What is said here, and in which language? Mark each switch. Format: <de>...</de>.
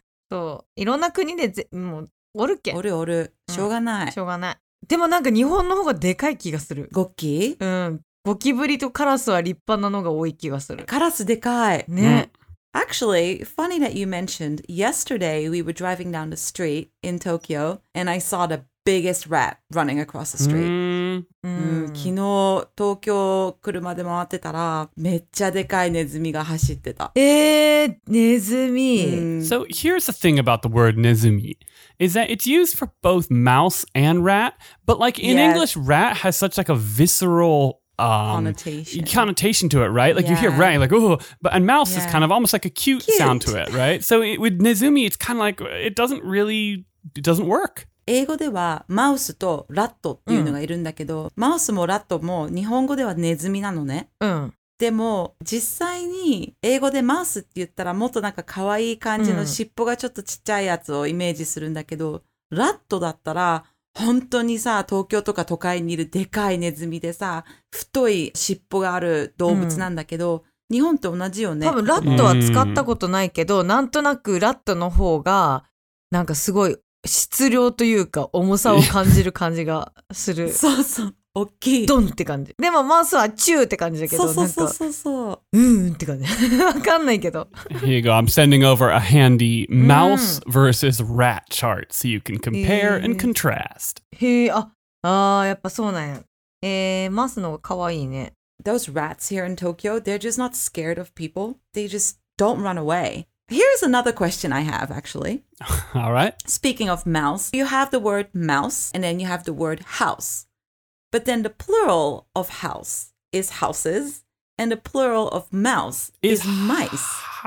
<ja>そう、いろんな国でもうおるけ。おるおる。しょうがない。しょうがない。でもなんか日本の方がでかい気がする。ゴキ？ゴキブリとカラスは立派なのが多い気がする。カラスでかい。ね。うん、</ja> <en>Actually, funny that you mentioned, yesterday we were driving down the street in Tokyo, and I saw the biggest rat running across the street. Mm-hmm. Mm-hmm.</en> <ja>昨日東京車で回ってたらめっちゃでかいネズミが走ってた。ネズミ。</ja> <en>So here's the thing about the word ネズミ is that it's used for both mouse and rat, but like in English, rat has such like a visceral connotation to it, right? Like you hear rat, you're like, oh, but and mouse is kind of almost like a cute sound to it, right? So with nezumi, it's kind of like it doesn't work.</en> <ja>英語ではマウスとラットっていうのがいるんだけど、うん、マウスもラットも日本語ではネズミなのね。うん。でも実際に英語でマウスって言ったらもっとなんか可愛い感じの尻尾がちょっとちっちゃいやつをイメージするんだけど、うん、ラットだったら本当にさ、東京とか都会にいるでかいネズミでさ、太い尻尾がある動物なんだけど、うん、日本と同じよね。多分ラットは使ったことないけど、うん、なんとなくラットの方がなんかすごい質量というか重さを感じる感じがするそうそう、大きいドンって感じ。でもマウスはチューって感じだけど、そうそうそうそう、うーんって感じ。わかんないけど。</ja> <en>Here you go. I'm sending over a handy mouse versus rat chart so you can compare and contrast.</en> <ja>へー、あー、やっぱそうなんや。マウスの方がかわいいね。</ja> <en>Those rats here in Tokyo, they're just not scared of people. They just don't run awayHere's another question I have, actually. All right. Speaking of mouse, you have the word mouse, and then you have the word house. But then the plural of house is houses, and the plural of mouse is mice.</en>